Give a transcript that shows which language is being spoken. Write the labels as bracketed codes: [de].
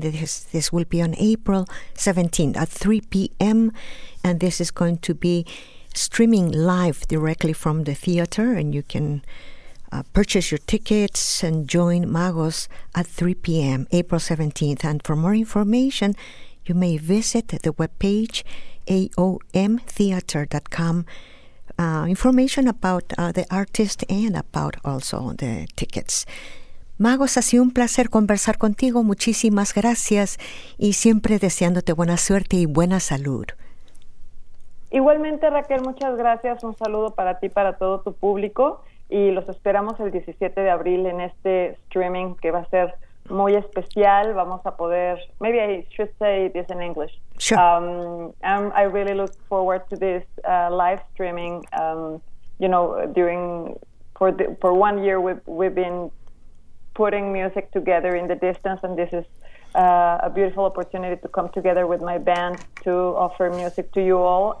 [en] This will be on April 17th at 3 p.m., and this is going to be streaming live directly from the theater, and you can purchase your tickets and join Magos at 3 p.m. April 17th. And for more information, you may visit the webpage aomtheater.com. Information about the artist and about also the tickets. [es] Magos, ha sido un placer conversar contigo. Muchísimas gracias. Y siempre deseándote buena suerte y buena salud. Igualmente, Raquel, muchas gracias. Un saludo para ti, para todo tu público. Y los esperamos el 17 de abril en este streaming que va a ser muy especial. Vamos a poder, [en] maybe I should say this in English. Sure. I really look forward to this live streaming. You know, for 1 year we've been putting music together in the distance, and this is a beautiful opportunity to come together with my band to offer music to you all.